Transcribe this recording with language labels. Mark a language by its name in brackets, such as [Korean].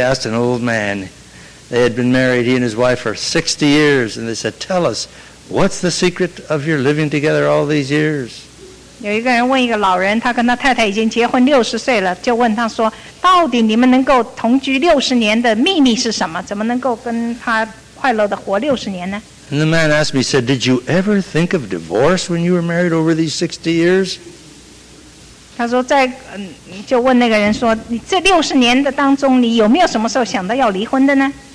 [English] asked an old man, they had been married, he and his wife, for 60 years, and they said, tell us, what's the secret of your living together all these years? [Chinese] 有一个人问一个老人，他跟他太太已经结婚60岁了，就问他说，到底你们能够同居60年的秘密是什么？怎么能够跟他快乐的活60年呢？ [English] And the man asked me, he said, did you ever think of divorce when you were married over these 60 years? [Chinese] 他说在，就问那个人说，你这60年的当中，你有没有什么时候想到要离婚的呢？